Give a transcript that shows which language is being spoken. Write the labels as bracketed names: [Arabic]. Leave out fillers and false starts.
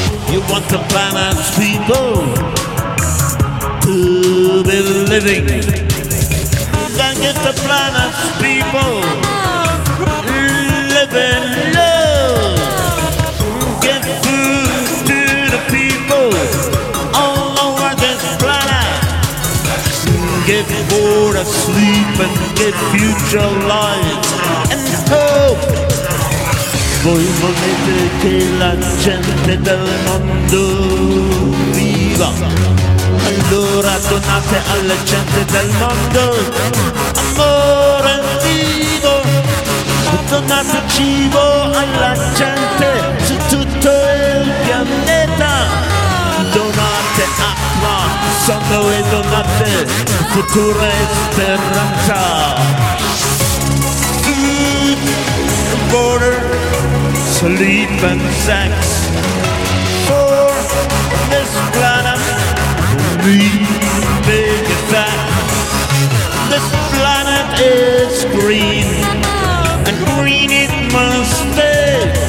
[English] You want to balance people to be living, then get the planet's people living love. Get food to the people all over this planet. Get water, sleep, and get future light and hope. [Italian] Voi volete che la gente del mondo viva. Allora donate alla gente del mondo amore vivo. Donate cibo alla gente su tutto il pianeta. Donate acqua, sonno e donate futura e speranza. [English] Food, water, sleep and sex for this planet. We make it back. This planet is green, and green it must stay.